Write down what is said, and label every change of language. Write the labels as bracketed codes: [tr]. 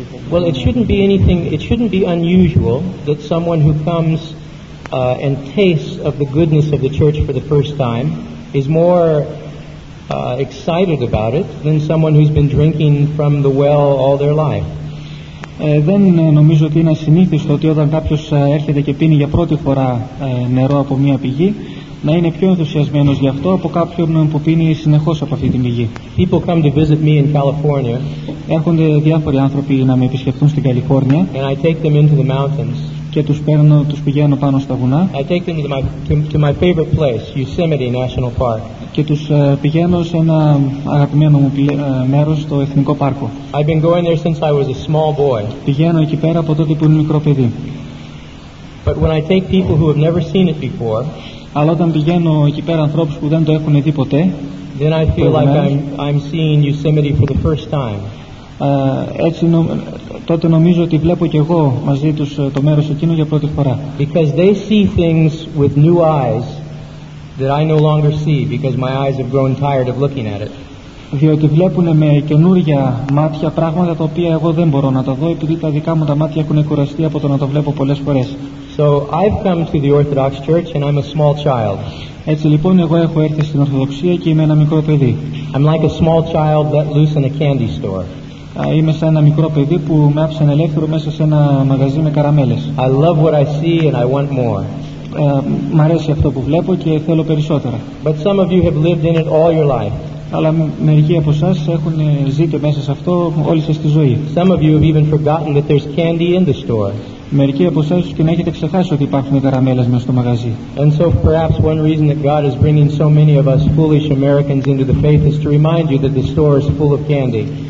[en] Well, it shouldn't be unusual that someone who comes and tastes of the goodness of the church for the first time is more excited about it than someone who's been drinking from the well all their life. [el] Δεν νομίζω ότι είναι ασυνήθιστο ότι όταν κάποιος έρχεται και πίνει για πρώτη φορά νερό από μια πηγή, να είναι πιο ενθουσιασμένος γι' αυτό από κάποιον που πίνει συνεχώς από αυτή την πηγή. [en] People come to visit me in California. [el] Έρχονται διάφοροι άνθρωποι να με επισκεφτούν στην Καλιφόρνια. [en] And I take them into the mountains. [el] Και τους πηγαίνω πάνω στα βουνά. [en] I take them to my favorite place, Yosemite National Park. [el] Και τους πηγαίνω σε ένα αγαπημένο μου μέρος, το Εθνικό Πάρκο. [en] I've been going there since I was a small boy. [el] Πηγαίνω εκεί πέρα από τότε που είμαι μικρό παιδί. [en] But when I take people who have never seen it before, [el] αλλά όταν πηγαίνω εκεί πέρα ανθρώπους που δεν το έχουν δει ποτέ, [en] then I feel like I'm seeing Yosemite for the first time. [el] Έτσι τότε νομίζω ότι βλέπω και εγώ μαζί τους το μέρος εκείνο για πρώτη φορά. [en] Because they see things with new eyes that I no longer see because my eyes have grown tired of looking at it. [el] Διότι βλέπουν με καινούργια μάτια πράγματα τα οποία εγώ δεν μπορώ να τα δω, επειδή τα δικά μου τα μάτια έχουν κουραστεί από το να τα βλέπω πολλές φορές. [en] So I've come to the Orthodox Church and I'm a small child. [el] Έτσι λοιπόν εγώ έχω έρθει στην Ορθοδοξία και είμαι ένα μικρό παιδί. [en] I'm like a small child let loose in a candy store. [el] Είμαι σαν ένα μικρό παιδί που με άφησαν ελεύθερο μέσα σε ένα μαγαζί με καραμέλες. [en] I love what I see and I want more. [el] Μ' αρέσει αυτό που βλέπω και θέλω περισσότερα. [en] But some of you have lived in it all your life. [el] Αλλά μερικοί από εσάς έχουν ζείτε μέσα σε αυτό όλη σας τη ζωή. [en] Some of you have even forgotten that there's candy in the store. [el] Μερικοί από εσάς και να έχετε ξεχάσει ότι υπάρχουν καραμέλες μέσα στο μαγαζί. [en] And so perhaps one reason that God is bringing so many of us foolish Americans into the faith is to remind you that the store is full of candy.